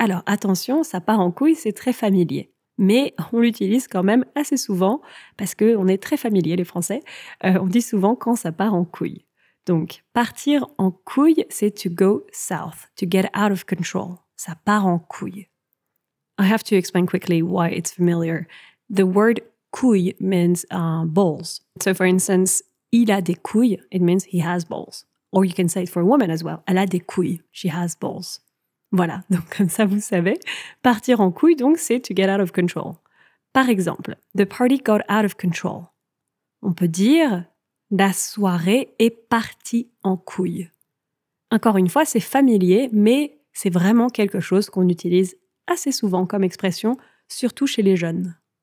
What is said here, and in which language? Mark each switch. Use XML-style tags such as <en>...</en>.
<fr>Alors attention, ça part en couille, c'est très familier. Mais on l'utilise quand même assez souvent parce qu'on est très familier, les Français. On dit souvent « quand ça part en couille ». Donc, partir en couille, c'est</fr> <en>« to go south »,« to get out of control ».</en> <fr>Ça part en couille.</fr> <en>I have to explain quickly why it's familiar. The word couille means balls. So for instance,</en> <fr>il a des couilles,</fr> <en>it means he has balls. Or you can say it for a woman as well.</en> <fr>Elle a des couilles,</fr> <en>she has balls.</en> <fr>Voilà, donc comme ça vous savez. Partir en couille, donc c'est</fr> <en>to get out of control.</en> <fr>Par exemple,</fr> <en>the party got out of control.</en> <fr>On peut dire, la soirée est partie en couille. Encore une fois, c'est familier, mais c'est vraiment quelque chose qu'on utilise assez souvent comme expression, surtout chez les jeunes.</fr>